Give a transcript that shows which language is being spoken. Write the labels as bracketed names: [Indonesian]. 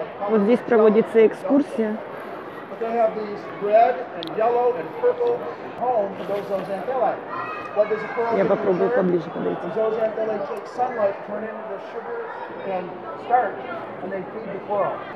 [Russian] Вот здесь проводится экскурсия. [English] They have these red and yellow and purple homes for those zooxanthellae. What does a coral [Russian] я попробую поближе подойти. [English] The zooxanthellae take sunlight, turn into the sugar and starch, and they feed the coral.